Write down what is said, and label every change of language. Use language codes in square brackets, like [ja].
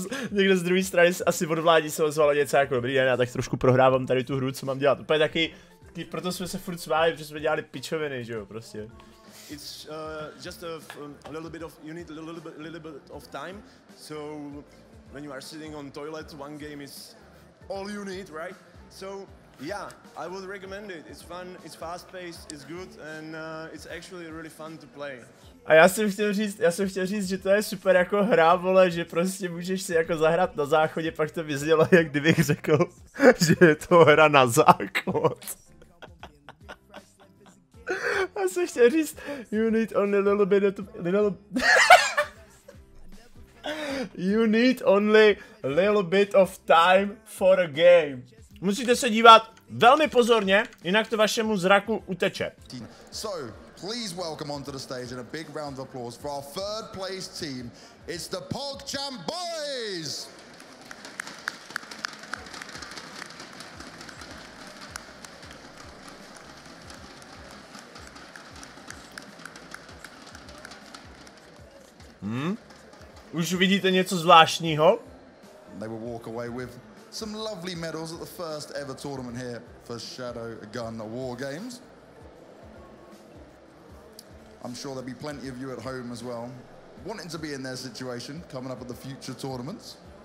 [cs] Někdo z druhé strany asi od vlády se ozvalo něco jako, dobrý den, já tak trošku prohrávám tady tu hru, co mám dělat. Úplně taky, proto jsme se furt smáli, protože jsme dělali pičoviny, že jo, prostě. [en] It's just a little bit of, you need a little bit of time, so when you are sitting on toilet, one game is... all you need, right? So, yeah, I would recommend it. It's fun, it's fast-paced, it's good, and it's actually really fun to play. [cs] A já jsem chtěl říct, že to je super jako hra, vole, že prostě můžeš si jako zahrát na záchodě, pak to vyznělo, jak kdybych řekl, že je to hra na záchod. Já jsem chtěl říct, [en] you need only a little bit of... You need only a little bit of time for a game. [cs] Musíte se dívat velmi pozorně, jinak to vašemu zraku uteče. [en] So, please welcome onto the stage and a big round of applause for our third place team. It's the PogChamp boys! [cs] Už vidíte něco zvláštního? [en] They will walk away with some lovely medals at the first ever tournament here for Shadow Gun War Games. I'm sure there'll be plenty of you at home as well, wanting to be in their situation, coming up at the future tournaments.